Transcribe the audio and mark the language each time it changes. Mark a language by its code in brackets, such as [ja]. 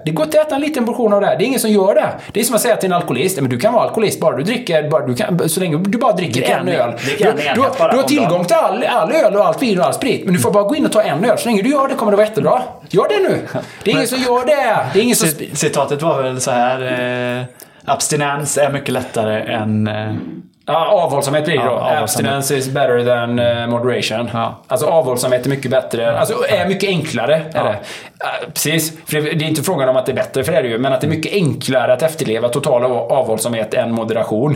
[sv] Det går inte att äta en liten portion av det. Det är ingen som gör det. Det är som att säga till en alkoholist, men du kan vara alkoholist bara du dricker, bara du kan, så länge du bara dricker en öl. Du har tillgång till all öl och allt vin och all sprit, men du får bara gå in och ta en öl. Så länge du gör det kommer det vara jättebra. Gör det nu. Det är ingen som gör det. Det är ingen som... Citatet var väl så här... Abstinens är mycket lättare än... Avhållsamhet blir det då. [en] Abstinence is better than moderation. [sv] Ja. Alltså avhållsamhet är mycket bättre. Ja. Alltså är mycket enklare. Ja. Är det. Precis. För det är inte frågan om att det är bättre, för det är det ju. Men att det är mycket enklare att efterleva total avhållsamhet än moderation.